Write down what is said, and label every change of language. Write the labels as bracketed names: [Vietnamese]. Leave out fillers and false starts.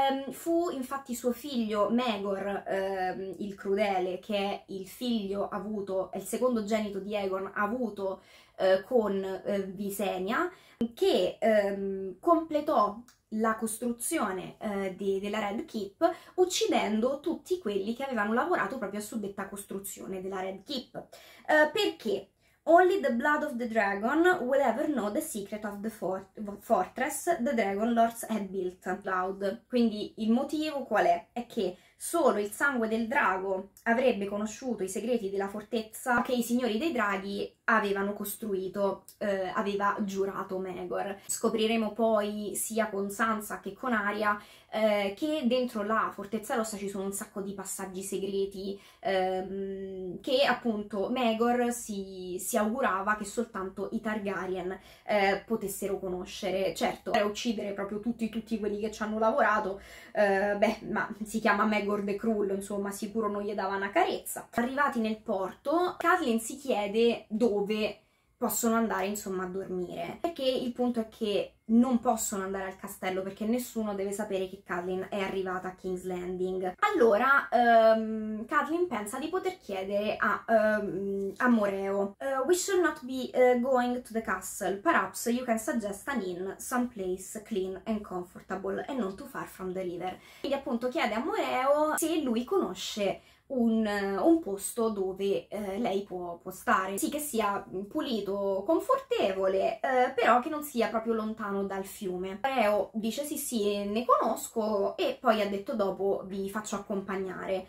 [Italian] Fu infatti suo figlio Maegor il Crudele, che è il figlio avuto, è il secondo genito di Aegon avuto con Visenya, che completò la costruzione della Red Keep, uccidendo tutti quelli che avevano lavorato proprio a suddetta costruzione della Red Keep. Perché? [English] Only the blood of the dragon will ever know the secret of the fortress the dragon lords had built. [Italian] Cloud. Quindi il motivo qual è? È che solo il sangue del drago avrebbe conosciuto i segreti della fortezza che i signori dei draghi avevano costruito, aveva giurato Maegor. Scopriremo poi sia con Sansa che con Arya che dentro la Fortezza Rossa ci sono un sacco di passaggi segreti che appunto Maegor si augurava che soltanto i Targaryen potessero conoscere. Certo, per uccidere proprio tutti quelli che ci hanno lavorato, ma si chiama Maegor the Cruel, insomma, sicuro non gli dava una carezza. Arrivati nel porto, Catelyn si chiede dove possono andare, insomma, a dormire. Perché il punto è che non possono andare al castello, perché nessuno deve sapere che Catelyn è arrivata a King's Landing. Allora, Catelyn pensa di poter chiedere a Moreo. [English] We should not be going to the castle. Perhaps you can suggest an inn, some place clean and comfortable, and not too far from the river. [Italian] Quindi appunto chiede a Moreo se lui conosce un posto dove lei può stare, sì, che sia pulito, confortevole, però che non sia proprio lontano dal fiume. Moreo dice sì, ne conosco, e poi ha detto dopo vi faccio accompagnare.